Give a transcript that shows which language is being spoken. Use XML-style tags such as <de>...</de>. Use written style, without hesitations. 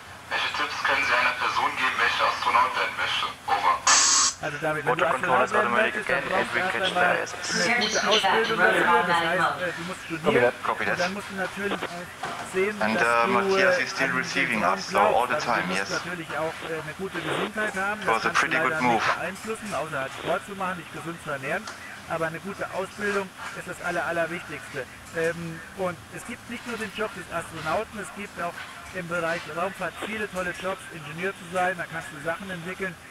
<de>Welche Tipps können Sie einer Person geben, welche Astronaut werden möchte? Over. Also David, wenn du Astronaut werden möchtest, dann brauchst du erst einmal eine gute Ausbildung dafür. Das heißt, du musst studieren und dann musst du natürlich sehen,</de> <en>and,</en> <de>dass du</de> <en>Matthias is still receiving us, so all the time,</en> <de>also, du musst natürlich auch eine gute Gesundheit haben. Das kannst du leider nicht beeinflussen, außer halt Sport zu machen, dich gesund zu ernähren. Aber eine gute Ausbildung ist das Allerwichtigste. Und es gibt nicht nur den Job des Astronauten, es gibt auch im Bereich Raumfahrt viele tolle Jobs, Ingenieur zu sein, da kannst du Sachen entwickeln.</de>